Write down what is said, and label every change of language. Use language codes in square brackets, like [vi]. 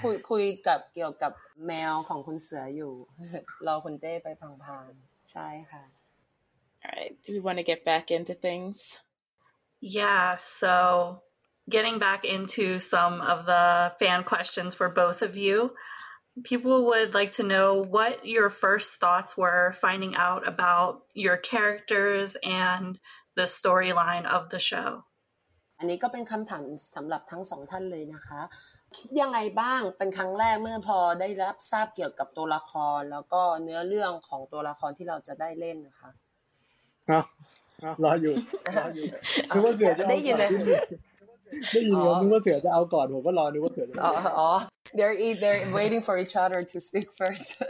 [th] คุยกับเกี่ยวกับแมวของคุณเสืออยู่รอคุณเต้ไปพังๆใช่ค่ะ [en] Alright, do we want to get back into things? Yeah, so getting back into some of the fan questions for both of you, people would like to know what your first thoughts were finding out about your characters and the storyline of the show. [th] อันนี้ก็เป็นคำถามสำหรับทั้งสองท่านเลยนะคะคิดยังไงบ้างเป็นครั้งแรกเมื่อพอได้รับทราบเกี่ยวกับตัวละครแล้วก็เนื้อเรื่องของตัวละครที่เราจะได้เล่นนะคะ รออยู่คือว่าเสือจะได้ยินเลยได้ยินคือว่าเสือจะเอาก่อนผมก็รอดูว่าเสือจะ อ๋อ [en] they're waiting for each other to speak first